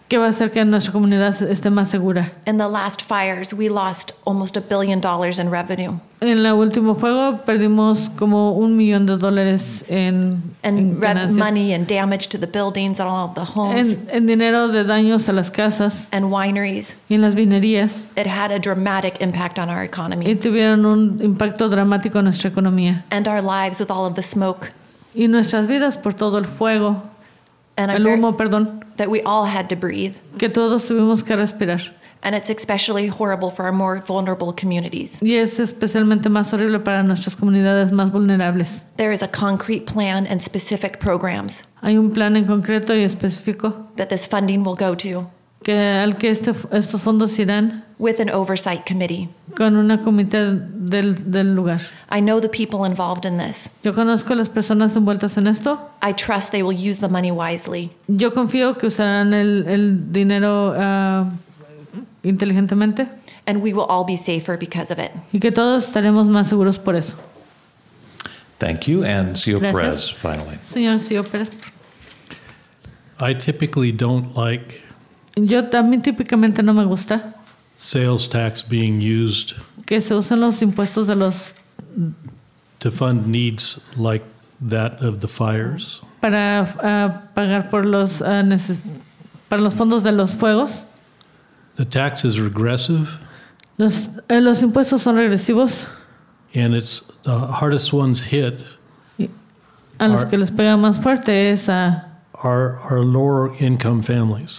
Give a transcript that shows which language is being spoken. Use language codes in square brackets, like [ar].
[es] Que va a hacer que nuestra comunidad esté más segura. [en] In the last fires, we lost almost $1 billion in revenue. [es] En el último fuego perdimos como $1 million en ganancias. [en] Money and damage to the buildings and all of the homes. [es] En dinero de daños a las casas. [en] And wineries. [es] Y en las vinerías. [en] It had a dramatic impact on our economy. [es] Y tuvieron un impacto dramático en nuestra economía. [en] And our lives with all of the smoke. [es] Y nuestras vidas por todo el fuego, el humo, perdón, [en] that we all had to breathe. [es] Que todos tuvimos que respirar. [en] And it's especially horrible for our more vulnerable communities. [es] Y es especialmente más horrible para nuestras comunidades más vulnerables. [en] There is a concrete plan and specific programs. [es] Hay un plan en concreto y específico. [en] That this funding will go to. [es] Que al que estos fondos irán. [en] With an oversight committee. [es] Con una comité del lugar. [en] I know the people involved in this. [es] Yo conozco las personas envueltas en esto. [en] I trust they will use the money wisely. [es] Yo confío que usarán el dinero inteligentemente. [en] And we will all be safer because of it. [es] Y que todos estaremos más seguros por eso. [en] Thank you. And CEO Perez, finally. [es] Señor CEO Perez. [en] I typically don't like. [es] Yo también típicamente no me gusta. [en] sales tax being used [es] que se usen los impuestos de los, [en] to fund needs like that of the fires. [es] Para pagar por los para los fondos de los fuegos. [en] The tax is regressive. [es] Los impuestos son regresivos. [en] And it's the hardest ones hit. [es] A los que les pega más fuerte es a [en] our lower income families.